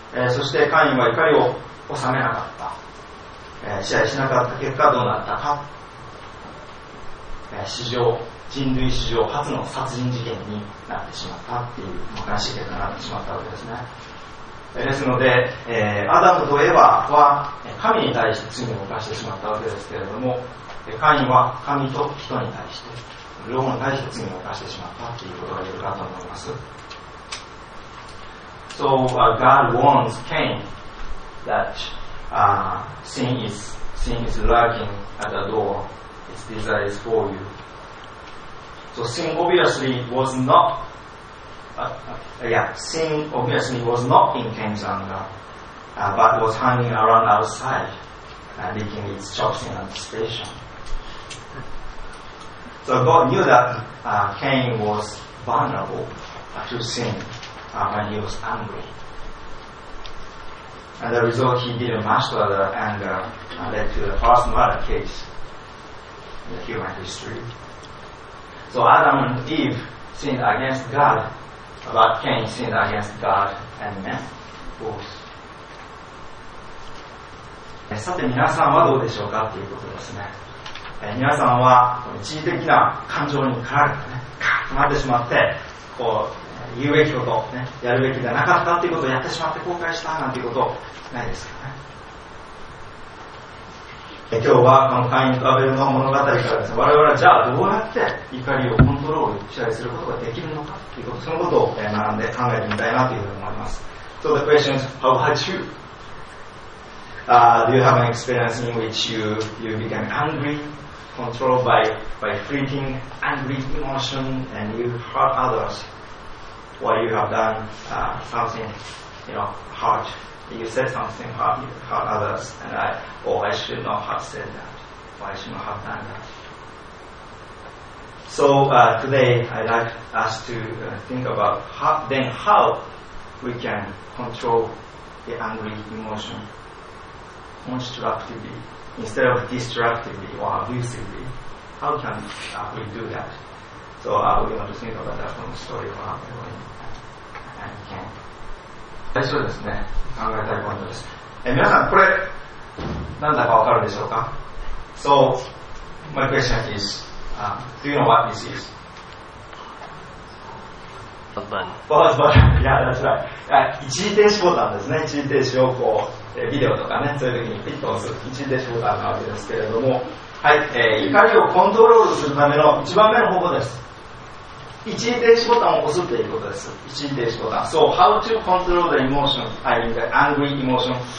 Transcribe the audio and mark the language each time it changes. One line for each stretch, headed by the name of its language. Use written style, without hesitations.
Japanese: そしてカインは怒りを収めなかった、支配しなかった結果どうなったか、人類史上初の殺人事件になってしまったっていう悲しい結果になってしまったわけですね。ですので、アダムとエヴァは神に対して罪を犯してしまったわけですけれども、カインは神と人に対して、両方に対して罪を犯してしまったっていうことが言えるかと思います。
English: So God warns Cain that sin is lurking at the door. Its desire is for you. So sin obviously was not in Cain's anger, but was hanging around outside, licking its chops in anticipation. So God knew that Cain was vulnerable to sin. When he was angry. And the result, he didn't master the anger and led to the first murder case in the human history. So Adam and Eve sinned against God, but Cain sinned against God and men, both.
Japanese: さて皆さんはどうでしょうかということですね。皆さんは一時的な感情に駆られてカッとなってしまって、こう言うべきこと、ね、やるべきではなかったということをやってしまって後悔したなんていうことないですかね。今日はこのカインとアベルの物語からですね、我々はじゃあどうやって怒りをコントロール支配することができるのかということ、そのことを学んで考えてみたいなというふうに思います。
English: So the question is, how about you? Do you have an experience in which you became angry, controlled by fleeting angry emotion, and you hurt others? What you have done, something, you know, hard. You said something hard, you hurt others, and I should not have said that, or I should not have done that. So, today, I'd like us to think about how we can control the angry emotion constructively, instead of destructively or abusively. How can we do that? So we want to think about that from the story of how we can.
Japanese: そうですね。考えたいポイントです。皆さん、これ、なんだかわかるでしょうか？
English: So, my question is, do you know what this is? A button. What's button? Yeah, that's right.
Japanese: 一時停止ボタンですね。一時停止をこう、ビデオとかね、そういう時にピッと押す一時停止ボタンなわけですけれども、はい、怒りをコントロールするための一番目の方法です。一時停止ボタンを押すということです。一時停止ボタン。
English: So, how to control the emotion, I mean the angry emotion.